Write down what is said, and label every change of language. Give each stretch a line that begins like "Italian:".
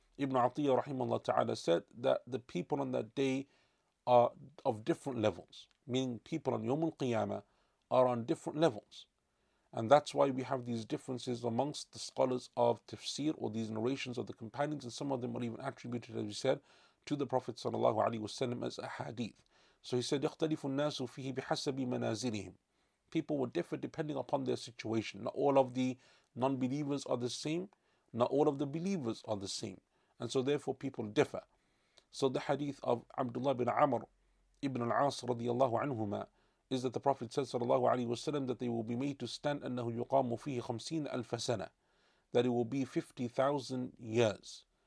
English: Ibn Atiyah rahimahullah ta'ala said that the people on that day are of different levels, meaning people on Yawm al-Qiyamah are on different levels. And that's why we have these differences amongst the scholars of tafsir, or these narrations of the companions, and some of them are even attributed, as we said, to the Prophet sallallahu alaihi wasallam as a hadith. So he said,
Arabic: يَخْتَلِفُ النَّاسُ فِيهِ بِحَسَبِ مَنَازِلِهِمْ.
English: People will differ depending upon their situation. Not all of the non-believers are the same. Not all of the believers are the same. And so therefore people differ. So the hadith of Abdullah bin Amr ibn al-As radiallahu anhuma is that the Prophet said sallallahu alaihi wasallam that they will be made to stand,
Arabic: annahu yuqamu fihi 50 alf sana,
English: that it will be 50,000 years.